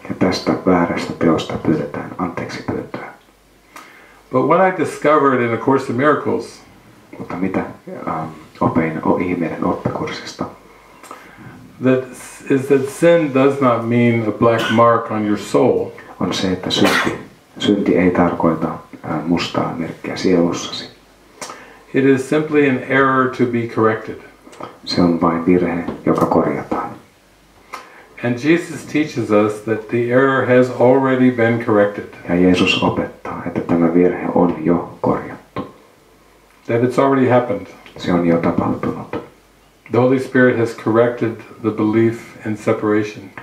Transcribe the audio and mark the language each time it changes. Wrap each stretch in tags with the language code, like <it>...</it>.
<fi>Ja tästä väärästä teosta pyydetään anteeksi pyyntöä.</fi> <en>But what I discovered in A Course in Miracles,</en> <fi>mutta mitä opin ihmeiden oppikurssista,</fi> <en>that sin does not mean a black mark on your soul.</en> <fi>On se, että synti ei tarkoita mustaa merkkiä sielussasi.</fi> <en>It is simply an error to be corrected.</en> <fi>Se on vain virhe, joka korjataan.</fi> <en>And Jesus teaches us that the error has already been corrected.</en> <fi>Ja Jeesus opettaa, että tämä virhe on jo korjattu.</fi> <en>That it's already happened.</en> <fi>Se on jo tapahtunut.</fi> <en>The Holy Spirit has corrected the belief in separation.</en>